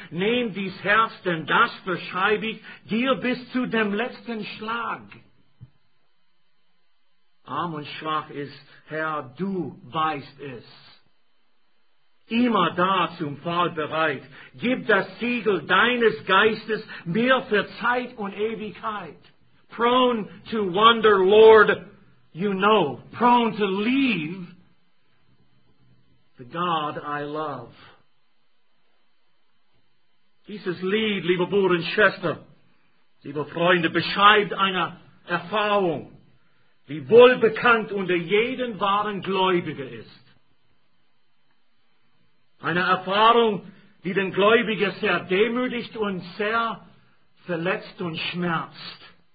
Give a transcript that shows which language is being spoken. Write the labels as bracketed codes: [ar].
[de] Nehm dies Herz, denn das verschreib ich dir bis zu dem letzten Schlag. Arm und schwach ist, Herr, du weißt es. Immer da zum Fall bereit, gib das Siegel deines Geistes mir für Zeit und Ewigkeit. [en] Prone to wander, Lord, you know, prone to leave the God I love. [de] Dieses Lied, liebe Bruder und Schwester, liebe Freunde, beschreibt eine Erfahrung, die wohlbekannt unter jeden wahren Gläubigen ist. Eine Erfahrung, die den Gläubigen sehr demütigt und sehr verletzt und schmerzt.